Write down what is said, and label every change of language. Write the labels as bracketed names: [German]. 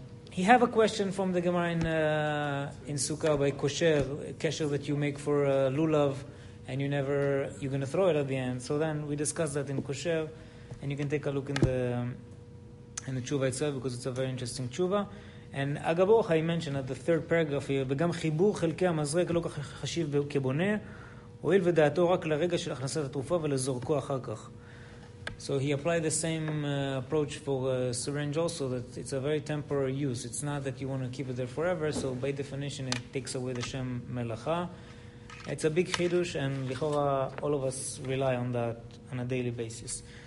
[English] He have a question from the Gemara in Sukkah by Kosher, a kesher that you make for lulav, and you're going to throw it at the end. So then we discuss that in Kosher, and you can take a look in the tshuva itself, because it's a very interesting tshuva. And Agaboch, I mentioned at the third paragraph here, [Hebrew] וגם חיבור חלקי המזרק לא כך חשיב כבונה, הועיל ודעתו רק לרגע של הכנסת התרופה ולזורקו אחר כך. [English] So he applied the same approach for syringe also, that it's a very temporary use. It's not that you want to keep it there forever, so by definition it takes away the Shem Melacha. It's a big chidush, and lichora all of us rely on that on a daily basis.